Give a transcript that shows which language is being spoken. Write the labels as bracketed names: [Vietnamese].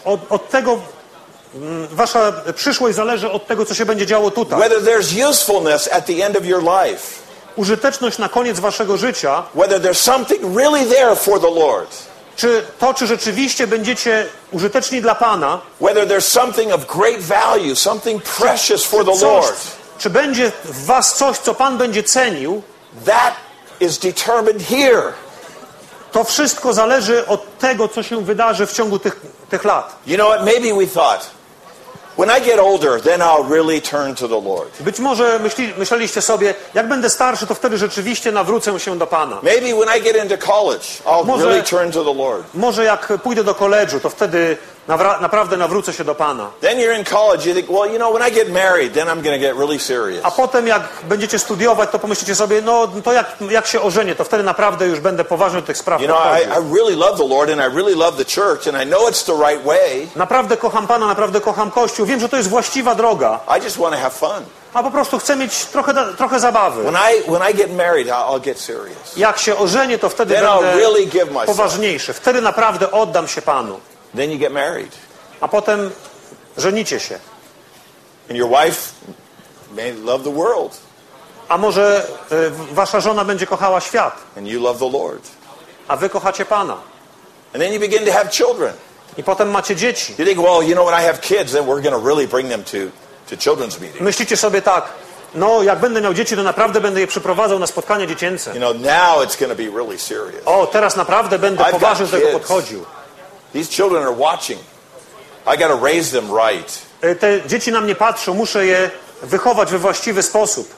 [Polish] Od tego wasza przyszłość zależy od tego, co się będzie działo tutaj. [English] Whether there's usefulness at the end of your life. [Polish] Użyteczność na koniec waszego życia. [English] Whether there's something really there for the Lord. [Polish] Czy rzeczywiście będziecie użyteczni dla Pana. [English] Whether there's something of great value, something precious for the Lord. [Polish] Czy będzie w was coś, co Pan będzie cenił. [English] That is determined here. [Polish] To wszystko zależy od tego, co się wydarzy w ciągu tych lat. [English] You know what? Maybe we thought, when I get older, then I'll really turn to the Lord. [Polish] Być może myśleliście sobie, jak będę starszy, to wtedy rzeczywiście nawrócę się do Pana. [English] Maybe when I get into college, I'll really turn to the Lord. [Polish] Może jak pójdę do koledżu, to wtedy naprawdę nawrócę się do Pana. [English] Then you're in college, you think, well, you know, when I get married, then I'm going to get really serious. [Polish] A potem jak będziecie studiować, to pomyślicie sobie, no to jak się ożenię, to wtedy naprawdę już będę poważny do tych spraw. [English] You know, I really love the Lord and I really love the church and I know it's the right way. [Polish] Naprawdę kocham Pana, naprawdę kocham Kościół, wiem, że to jest właściwa droga. [English] I just want to have fun. [Polish] A po prostu chcę mieć trochę zabawy. [English] When I get married, I'll get serious. [Polish] Jak się ożenię, to wtedy [English] then [Polish] będę [English] really [Polish] poważniejszy. Wtedy naprawdę oddam się Panu. [English] Then you get married. [Polish] A potem żenicie się. [English] And your wife may love the world. [Polish] A może wasza żona będzie kochała świat. [English] And you love the Lord. [Polish] A wy kochacie Pana. [English] And then you begin to have children. [Polish] I potem macie dzieci. [English] You think, well, you know, when I have kids, then we're going to really bring them to children's meeting. [Polish] Myślicie sobie tak. No, jak będę miał dzieci, to naprawdę będę je przyprowadzał na spotkania dziecięce. [English] You know, now it's going to be really serious. [Polish] O, teraz naprawdę będę poważnie do tego podchodził. [English] These children are watching. I got to raise them right. [Polish] Te dzieci na mnie patrzą, muszę je wychować we właściwy sposób.